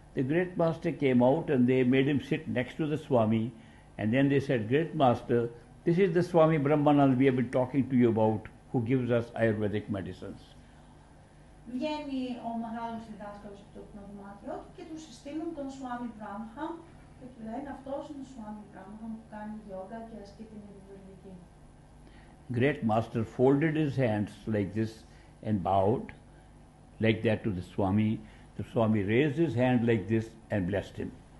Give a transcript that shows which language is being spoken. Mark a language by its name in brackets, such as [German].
[English] The great master came out and they made him sit next to the Swami and then they said, great master, this is the Swami Brahmanand we have been talking to you about who gives us Ayurvedic medicines. [Greek] Βγαίνει ο μεγάλος διδάσκαλος από το πνευματιό του και του συστήνουν τον Swami Brahmanand και του λένε αυτός είναι ο Swami Brahmanand που κάνει γιόγκα και ασκεί την ειδουργική. [English] Great Master folded his hands like this and bowed like that to the Swami. The Swami raised his hand like this and blessed him.